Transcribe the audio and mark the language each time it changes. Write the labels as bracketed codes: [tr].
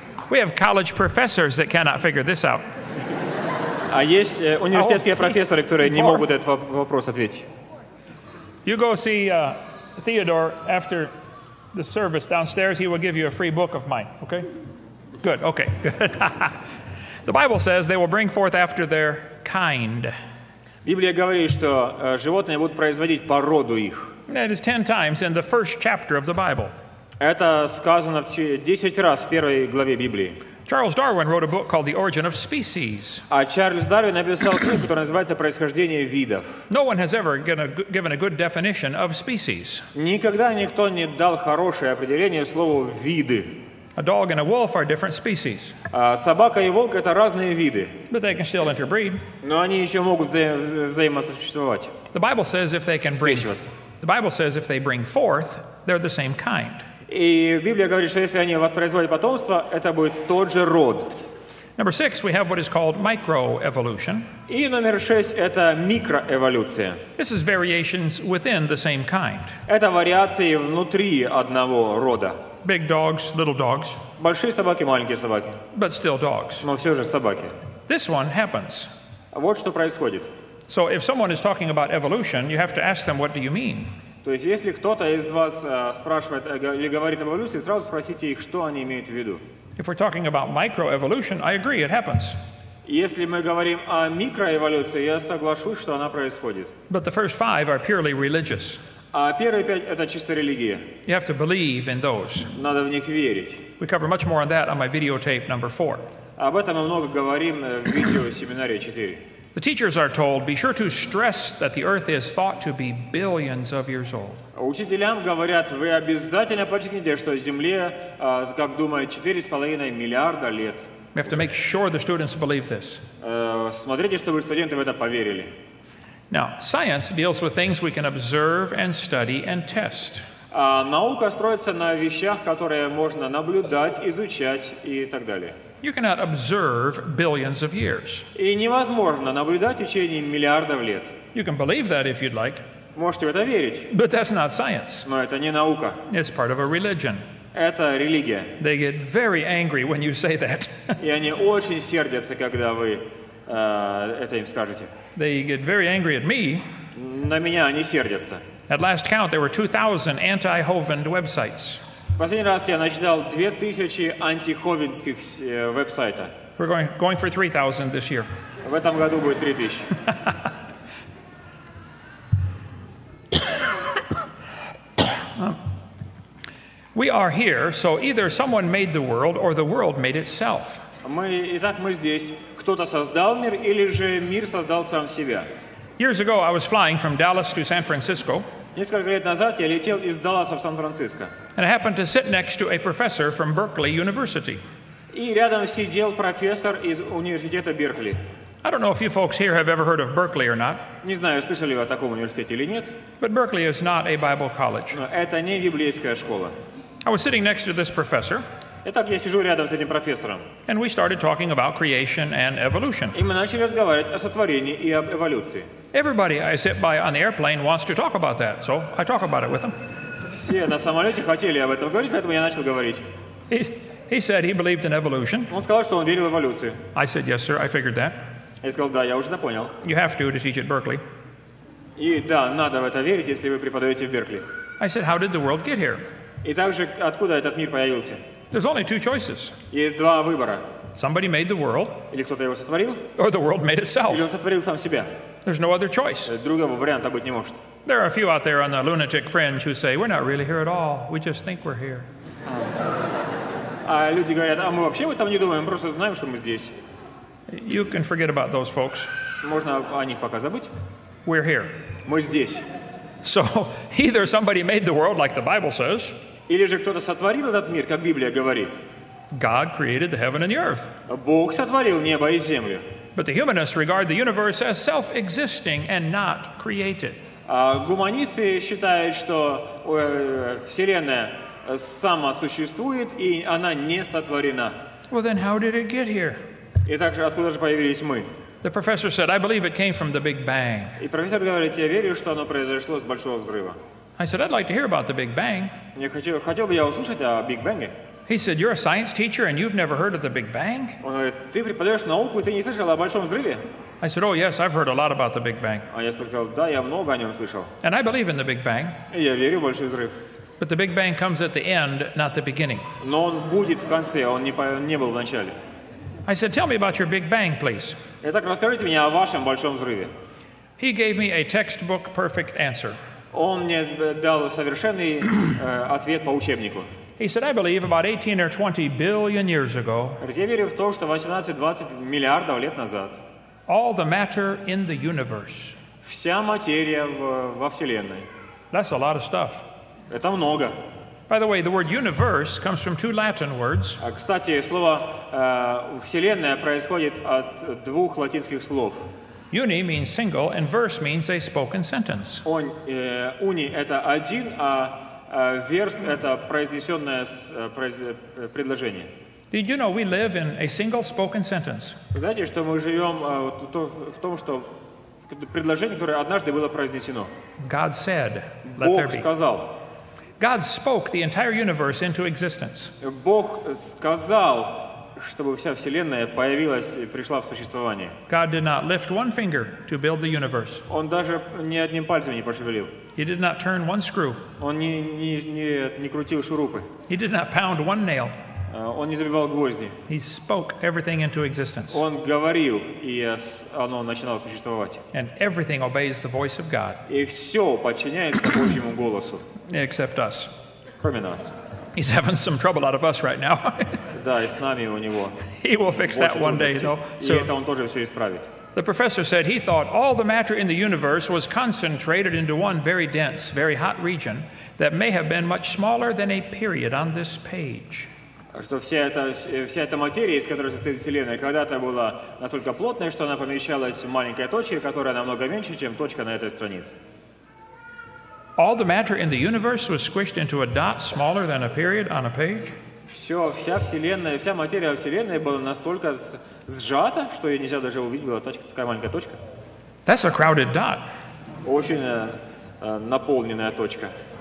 [en] We have college professors that cannot figure this out. [ru] А есть университетские профессоры, которые не могут этот вопрос ответить. [en] You go see Theodore after the service downstairs. He will give you a free book of mine. Okay? Good. Okay. Good. The Bible says they will bring forth after their kind. [ru] Библия говорит, что животные будут производить породу их. [en] That is 10 times in the first chapter of the Bible. [ru] Это сказано 10 раз в первой главе Библии. [en] Charles Darwin wrote a book called The Origin of Species. [ru] А Чарльз Дарвин написал книгу, которая называется «Происхождение видов». [en] No one has ever given a good definition of species. [ru] Никогда никто не дал хорошее определение слову «виды». [en] A dog and a wolf are different species. [ru] Собака и волк — это разные виды. [en] But they can still interbreed. [ru] Но они еще могут взаимосуществовать. [en] The Bible says if they can breed. The Bible says if they bring forth, they're the same kind. [ru] И Библия говорит, что если они воспроизводят потомство, это будет тот же род. [en] Number 6, we have what is called microevolution. [ru] И номер 6 — это микроэволюция. [en] This is variations within the same kind. [ru] Это вариации внутри одного рода. [en] Big dogs, little dogs. [ru] Большие собаки, маленькие собаки. [en] But still dogs. [ru] Но все же собаки. [en] This one happens. [ru] Вот что происходит. [en] So if someone is talking about evolution, you have to ask them, what do you mean? [ru] То есть, если кто-то из вас спрашивает или говорит о эволюции, сразу спросите их, что они имеют в виду. [en] If we're talking about microevolution, I agree, it happens. [ru] Если мы говорим о микроэволюции, я соглашусь, что она происходит. [en] But the first five are purely religious. [ru] А первые пять — это чисто религия. [en] You have to believe in those. [ru] Надо в них верить. [en] We cover much more on that on my videotape number 4. [ru] Об этом мы много говорим в видеосеминаре 4. [en] The teachers are told, be sure to stress that the earth is thought to be billions of years old. [ru] Учителям говорят, вы обязательно подчеркните, что Земле, как думают, 4,5 миллиарда лет. [en] We have to make sure the students believe this. [ru] Смотрите, чтобы студенты в это поверили. [en] Now, science deals with things we can observe and study and test. [ru] Наука строится на вещах, которые можно наблюдать, изучать и так далее. [en] You cannot observe billions of years. [ru] И невозможно наблюдать в течение миллиардов лет. [en] You can believe that if you'd like. [ru] Можете в это верить. [en] But that's not science. [ru] Но это не наука. [en] It's part of a religion. [ru] Это религия. [en] They get very angry when you say that. [ru] И они очень сердятся, когда вы это им скажете. [en] They get very angry at me. [ru] На меня они сердятся. [en] At last count, there were 2,000 anti-Hovind websites. [ru] Последний раз я начитал 2,000 антиховинских веб-сайта. [en] We're going for 3,000 this year. [ru] В этом году будет 3,000. [en] We are here, so either someone made the world or the world made itself. [ru] Итак, мы здесь. кто-то создал мир или же мир создал сам себя. [en] Years ago I was flying from Dallas to San Francisco. [ru] Несколько лет назад я летел из Далласа в Сан-Франциско. [en] And I happened to sit next to a professor from Berkeley University. [ru] И рядом сидел профессор из университета Беркли. [en] I don't know if you folks here have ever heard of Berkeley or not. [ru] Не знаю, слышали вы о таком университете или нет. [en] But Berkeley is not a Bible college. [ru] Но это не библейская школа. [en] I was sitting next to this professor. [ru] Итак, я сижу рядом с этим профессором. [en] And we started talking about creation and evolution. [ru] И мы начали разговаривать о сотворении и об эволюции. [en] Everybody I sit by on the airplane wants to talk about that, so I talk about it with them. [ru] Все на самолете хотели об этом говорить, поэтому я начал говорить. [en] He said he believed in evolution. [ru] Он сказал, что он верил в эволюцию. [en] I said, yes, sir, I figured that. [ru] Я сказал, да, я уже это понял. [en] You have to teach at Berkeley. [ru] И да, надо в это верить, если вы преподаете в Беркли. [en] I said, how did the world get here? [ru] И также, откуда этот мир появился? [en] There's only two choices. [ru] Есть два выбора. [en] Somebody made the world. [ru] Или кто-то его сотворил. [en] Or the world made itself. [ru] Или он сотворил сам себя. [en] There's no other choice. [ru] Другого варианта быть не может. [en] There are a few out there on the lunatic fringe who say, we're not really here at all, we just think we're here. [ru] А люди говорят, а мы вообще в этом не думаем, просто знаем, что мы здесь. [en] You can forget about those folks. [ru] Можно о них пока забыть. [en] We're here. [ru] Мы здесь. [en] So, either somebody made the world like the Bible says. [ru] Или же кто-то сотворил этот мир, как Библия говорит. [en] God created the heaven and the earth. [ru] Бог сотворил небо и землю. [en] But the humanists regard the universe as self-existing and not created. [ru] А гуманисты считают, что Вселенная самосуществует и она не сотворена. [en] Well, then how did it get here? [ru] И также, откуда же появились мы? [en] The professor said, I believe it came from the Big Bang. [ru] И профессор говорит, я верю, что оно произошло с большого взрыва. [en] I said, I'd like to hear about the Big Bang. [ru] Хотел бы я услышать о Big Bang. [en] He said, you're a science teacher and you've never heard of the Big Bang? [ru] Он говорит, ты преподаешь науку, и ты не слышал о большом взрыве? [en] I said, oh yes, I've heard a lot about the Big Bang. [ru] А я сказал, да, я много о нем слышал. [en] And I believe in the Big Bang. [ru] И я верю в большой взрыв. [en] But the Big Bang comes at the end, not the beginning. [ru] Но он будет в конце, он не был в начале. [en] I said, tell me about your Big Bang, please. [ru] Итак, расскажите мне о вашем большом взрыве. [en] He gave me a textbook perfect answer. [ru] Он мне дал совершенный ответ по учебнику. [en] He said, I believe about 18 or 20 billion years ago. [ru] Я верю в то, что 18-20 миллиардов лет назад. [en] All the matter in the universe. [ru] Вся материя во Вселенной. [en] That's a lot of stuff. [ru] Это много. [en] By the way, the word universe comes from two Latin words. [ru] Кстати, слово «вселенная» происходит от двух латинских слов. [en] Uni means single, and verse means a spoken sentence. [ru] Uni – это один, а verse – это произнесенное предложение. [en] Did you know we live in a single spoken sentence? [ru] Знаете, что мы живем в том, что предложение, которое однажды было произнесено. [en] God said, let there be. [ru] Бог сказал. [en] God spoke the entire universe into existence. [ru] Бог сказал, чтобы вся вселенная появилась и пришла в существование. [en] God did not lift one finger to build the universe. [ru] Он даже ни одним пальцем не пошевелил. [en] He did not turn one screw. [ru] Он не крутил шурупы. [en] He did not pound one nail. [ru] Он не забивал гвозди. [en] He spoke everything into existence. [ru] Он говорил, и оно начинало существовать. [en] And everything obeys the voice of God. [ru] И все подчиняется Божьему голосу. [en] Except us. [ru] Кроме нас. [en] He's having some trouble out of us right now. [ru] Да, и с нами у него. [en] He will fix that one day, though. [ru] So, и это он тоже все исправит. [en] The professor said he thought all the matter in the universe was concentrated into one very dense, very hot region that may have been much smaller than a period on this page. [ru] Что вся эта материя, из которой состоит Вселенная, когда-то была настолько плотной, что она помещалась в маленькой точке, которая намного меньше, чем точка на этой странице. [en] All the matter in the universe was squished into a dot smaller than a period on a page. [ru] Вся Вселенная, вся материя Вселенной была настолько сжата, что ее нельзя даже увидеть, была такая маленькая точка. [en] That's a crowded dot. [ru] Очень наполненная точка.